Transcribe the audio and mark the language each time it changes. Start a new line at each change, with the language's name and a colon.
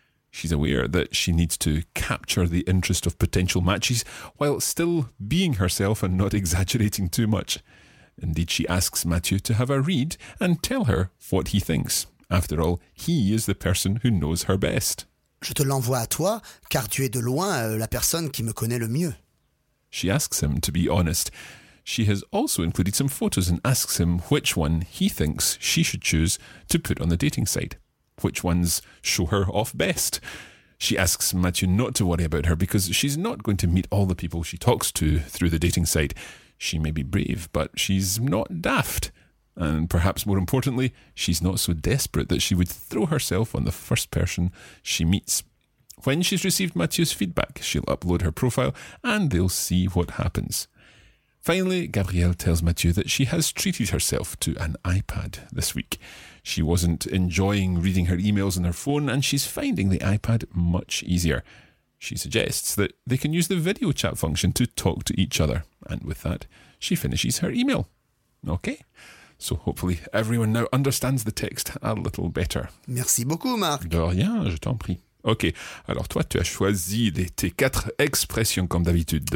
English: She's aware that she needs to capture the interest of potential matches while still being herself and not exaggerating too much. Indeed, she asks Mathieu to have a read and tell her what he thinks. After all, he is the person who knows her best.
French: Je te l'envoie à toi, car tu es de loin la personne qui me connaît le mieux.
English: She asks him to be honest. She has also included some photos and asks him which one he thinks she should choose to put on the dating site. Which ones show her off best? She asks Mathieu not to worry about her because she's not going to meet all the people she talks to through the dating site. She may be brave, but she's not daft. And perhaps more importantly, she's not so desperate that she would throw herself on the first person she meets. When she's received Mathieu's feedback, she'll upload her profile and they'll see what happens. Finally, Gabrielle tells Mathieu that she has treated herself to an iPad this week. She wasn't enjoying reading her emails on her phone and she's finding the iPad much easier. She suggests that they can use the video chat function to talk to each other. And with that, she finishes her email. Okay? So hopefully everyone now understands the text a little better.
French: Merci beaucoup, Marc. De rien, je t'en prie. Ok, alors toi, tu as choisi tes 4 expressions comme d'habitude.